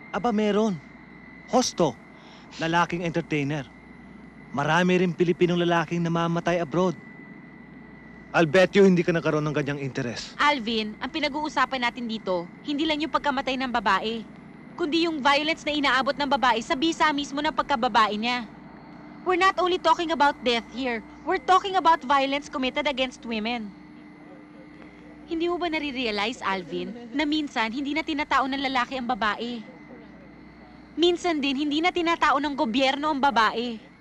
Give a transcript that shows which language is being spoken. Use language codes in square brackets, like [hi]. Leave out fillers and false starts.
[tl] Aba, meron. Hosto. Lalaking entertainer. Marami rin Pilipinong lalaking namamatay abroad. [en] I'll bet you [tl] hindi ka nagkaroon ng ganyang interes. Alvin, ang pinag-uusapan natin dito, hindi lang yung pagkamatay ng babae, kundi yung violence na inaabot ng babae sa bisa mismo ng pagkababae niya. [en] We're not only talking about death here, we're talking about violence committed against women. [tl] Hindi mo ba nare-realize, Alvin, na minsan hindi na tinatao ng lalaki ang babae? Minsan din, hindi na tinatao ng gobyerno ang babae.